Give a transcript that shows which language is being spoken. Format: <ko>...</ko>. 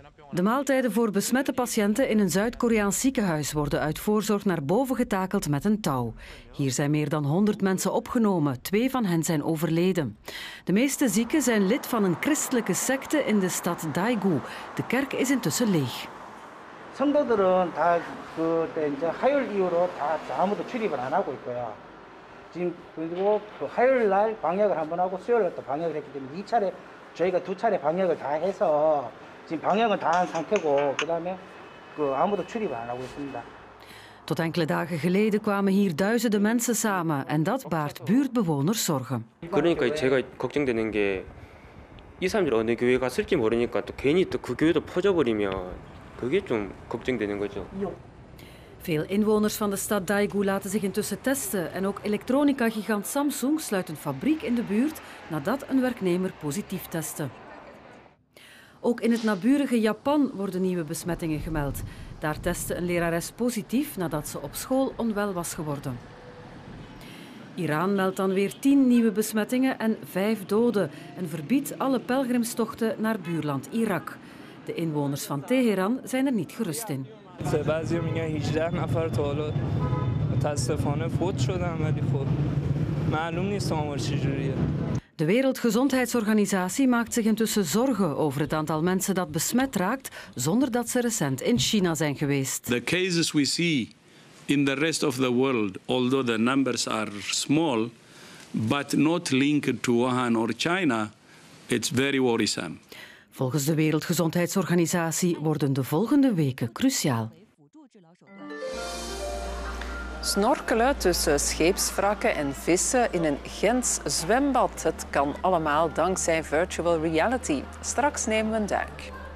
<nl>De maaltijden voor besmette patiënten in een Zuid-Koreaans ziekenhuis worden uit voorzorg naar boven getakeld met een touw. Hier zijn meer dan 100 mensen opgenomen. 2 van hen zijn overleden. De meeste zieken zijn lid van een christelijke sekte in de stad Daegu. De kerk is intussen leeg.</nl> <ko>성도들은 다 그때 이제 화요일 이후로 다 아무도 출입을 안 하고 있고요. 지금 그리고 그 화요일 날 방역을 한번 하고 수요일 날 또 방역을 했기 때문에 2차례 저희가 두 차례 방역을 다 해서 지금 방역은 다 한 상태고 그다음에 그 아무도 출입을 안 하고 있습니다.</ko> <nl>Tot enkele dagen geleden kwamen hier duizenden mensen samen en dat baart buurtbewoners zorgen.</nl> <ko>그러니까 제가 걱정되는 게 이 사람들 어느 교회 갔을지 모르니까 또 괜히 또 그 교회도 퍼져버리면 그게 좀 걱정되는 거죠.</ko> <nl>Veel inwoners van de stad Daegu laten zich intussen testen en ook elektronica-gigant Samsung sluit een fabriek in de buurt nadat een werknemer positief testte. Ook in het naburige Japan worden nieuwe besmettingen gemeld. Daar testte een lerares positief nadat ze op school onwel was geworden. Iran meldt dan weer 10 nieuwe besmettingen en 5 doden en verbiedt alle pelgrimstochten naar buurland Irak. De inwoners van Teheran zijn er niet gerust in. De Wereldgezondheidsorganisatie maakt zich intussen zorgen over het aantal mensen dat besmet raakt zonder dat ze recent in China zijn geweest.</nl> <en>The cases we see in the rest of the world, although the numbers are small, but not linked to Wuhan or China, it's very worrisome.</en> <nl>Volgens de Wereldgezondheidsorganisatie worden de volgende weken cruciaal. Snorkelen tussen scheepswrakken en vissen in een Gents zwembad. Het kan allemaal dankzij virtual reality. Straks nemen we een duik.</nl>